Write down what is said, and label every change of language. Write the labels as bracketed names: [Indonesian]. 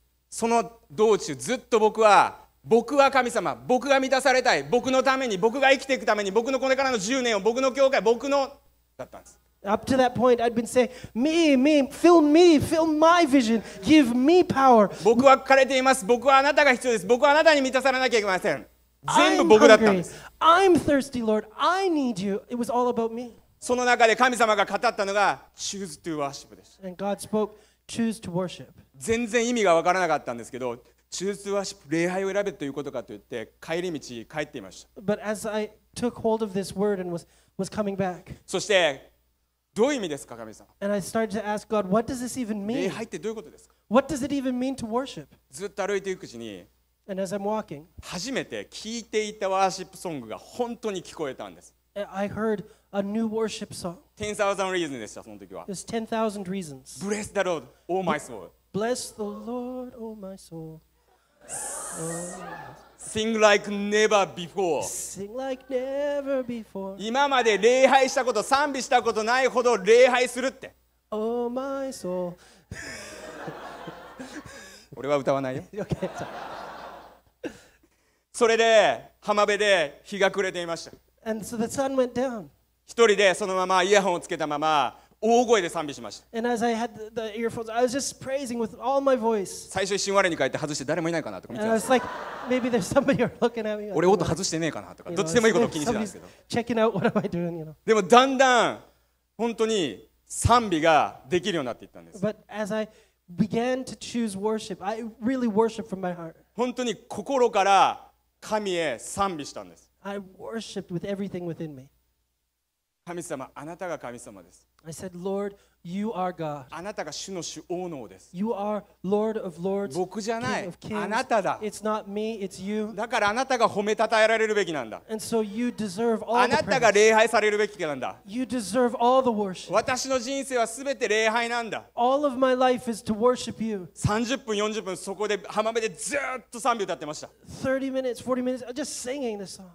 [Japanese] その道中ずっと僕は神様、僕が満たされたい、僕のために、僕が生きていくために、僕のこれからの10年を、僕の教会、僕のだったんです。 [English] Up to that point, I'd been saying, "Me, me, fill me, fill my vision, give me power." [Japanese] 僕は枯れています。僕はあなたが必要です。僕はあなたに満たされなきゃいけません。全部僕だったんです。 [English] I'm thirsty, Lord. I need you. It was all about me. [Japanese] その中で神様が語ったのが [English] Choose to worship [Japanese] です。 [English] And God spoke, Choose to worship. [Japanese] 全然意味が分からなかったんですけど、 [English] Choose to worship [Japanese] 礼拝を選べということかと言って帰り道帰っていました。 [English] But as I took hold of this word and was coming back. [Japanese] そしてどういう意味ですか、神様。 [English] And I started to ask God, What does this even mean? [Japanese] 礼拝ってどういうことですか。 [English] What does it even mean to worship? [Japanese] ずっと歩いていくうちに。 [English] And as I'm walking, [Japanese] 初めて聞いていたワーシップソングが本当に聞こえたんです。 [English] I heard a new worship song. [Japanese] 10,000 reasons でした、その時は。 [English] It's 10,000 reasons. Bless the Lord, oh my soul. Bless the Lord, oh my soul. Sing like never before. Sing like never before. [Japanese] 今まで礼拝したこと、賛美したことないほど礼拝するって。 [English] Oh my soul. [Japanese] 俺は歌わないよ。 [English] Okay, sorry. [Japanese] それで浜辺で日が暮れていました。 [English] And so the sun went down. [Japanese] 一人でそのままイヤホンをつけたまま大声で賛美しました。 [English] And as I had the earphones, I was just praising with all my voice. [Japanese] 最初一瞬我に返って外して誰もいないかなとか見てました。 [English] And I was like, maybe there's somebody looking at me. [Japanese] 俺音外してねえかなとか、どっちでもいいことを気にしてたんですけど。 [English] Checking out what am I doing, you know? [Japanese] でもだんだん本当に賛美ができるようになっていったんです。 [English] But as I began to choose worship, I really worshiped from my heart. [Japanese] 本当に心から神へ賛美したんです。 [English] I worshiped with everything within me. [Japanese] 神様、あなたが神様です。 [English] I said, Lord, you are God. [Japanese] あなたが主の主王の王です。 [English] You are Lord of lords. [Japanese] 僕じゃない。あなただ。 [English] It's not me, it's you. [Japanese] だからあなたが褒めたたえられるべきなんだ。 [English] And so you deserve all the [Japanese] praise. あなたが礼拝されるべきなんだ。 [English] You deserve all the worship. [Japanese] 私の人生はすべて礼拝なんだ。 [English] All of my life is to worship you. [Japanese] 30分、40分、そこで浜辺でずっと賛美歌ってました。 [English] 30 minutes, 40 minutes, just singing the song.